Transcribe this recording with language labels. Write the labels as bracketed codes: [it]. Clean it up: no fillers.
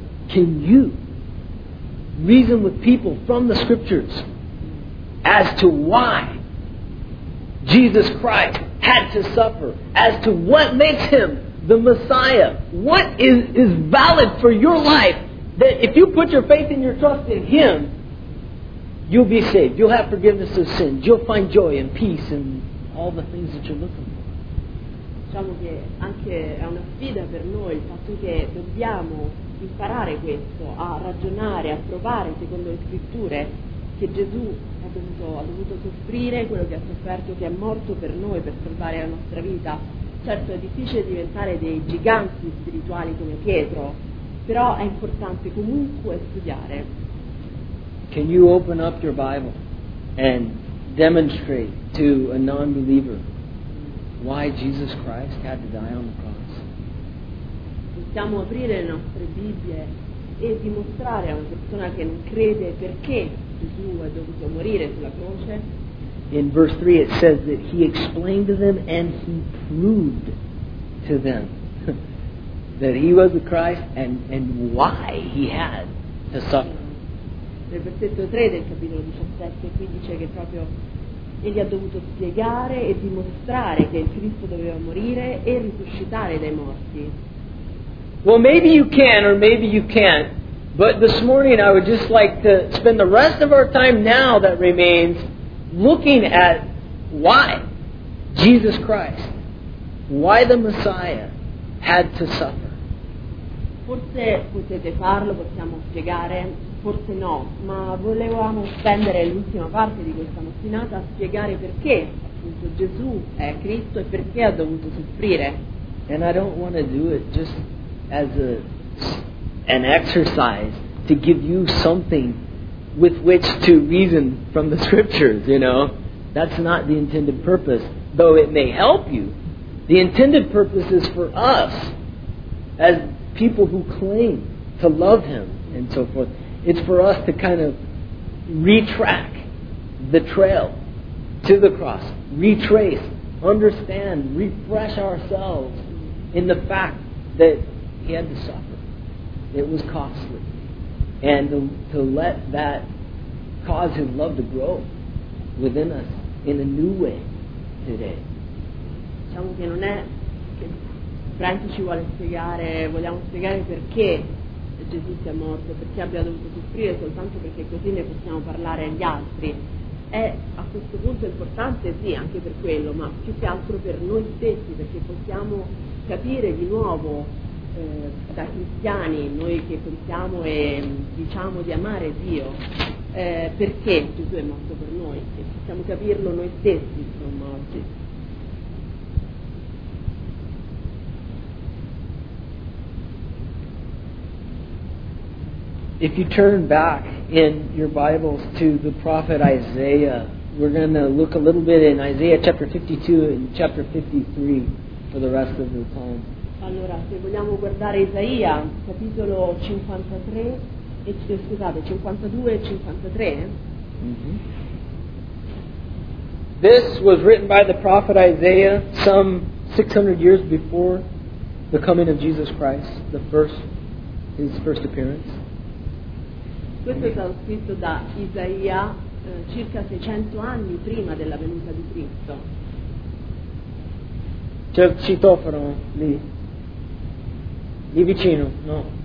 [en] Can you reason with people from the scriptures as to why Jesus Christ had to suffer, as to what makes him the Messiah, what is valid for your life, that if you put your faith and your trust in him, you'll be saved, you'll have forgiveness of sins, you'll find joy and peace and all the things that you're looking for. [it] Diciamo che anche è una sfida per noi il fatto che dobbiamo imparare questo, a ragionare, a provare secondo le scritture che Gesù ha dovuto soffrire quello che ha sofferto, che è morto per noi, per salvare la nostra vita. Certo, è difficile diventare dei giganti spirituali come Pietro, però è importante comunque studiare. [en] Can you open up your Bible and demonstrate to a non-believer why Jesus Christ had to die on the cross? [it] Possiamo aprire le nostre Bibbie e dimostrare a una persona che non crede perché Gesù ha dovuto morire sulla croce. [en] In verse 3 it says that he explained to them and he proved to them that he was the Christ and why he had to suffer. [it] Nel versetto 3 del capitolo 17 qui dice che proprio egli ha dovuto spiegare e dimostrare che il Cristo doveva morire e risuscitare dai morti. [en] Well, maybe you can or maybe you can't, but this morning I would just like to spend the rest of our time now that remains looking at why Jesus Christ, why the Messiah had to suffer. [it] Forse potete farlo, possiamo spiegare, forse no, ma volevamo spendere l'ultima parte di questa mattinata a spiegare perché appunto Gesù è Cristo e perché ha dovuto soffrire. [en] And I don't want to do it just as an exercise to give you something with which to reason from the scriptures, you know. That's not the intended purpose, though it may help you. The intended purpose is for us as people who claim to love him and so forth. It's for us to kind of retrack the trail to the cross, retrace, understand, refresh ourselves in the fact that he had to suffer. It was costly. And to let that cause his love to grow within us in a new way today. [it] Diciamo che non è che Franci ci vuole spiegare, vogliamo spiegare perché Gesù sia morto, perché abbia dovuto soffrire, soltanto perché così ne possiamo parlare agli altri. È a questo punto importante, sì, anche per quello, ma più che altro per noi stessi, perché possiamo capire di nuovo da cristiani, noi che pensiamo e diciamo di amare Dio, perché Gesù è morto per noi, e possiamo capirlo noi stessi, insomma, oggi. [en] If you turn back in your Bibles to the prophet Isaiah, we're going to look a little bit in Isaiah chapter 52 and chapter 53 for the rest of the time. [it] Allora, se vogliamo guardare Isaia, capitolo 53, e scusate, 52 e 53. Mm-hmm. [en] This was written by the prophet Isaiah some 600 years before the coming of Jesus Christ, his first appearance. [it] Questo è stato scritto da Isaia circa 600 anni prima della venuta di Cristo. C'è il citofono lì vicino, no?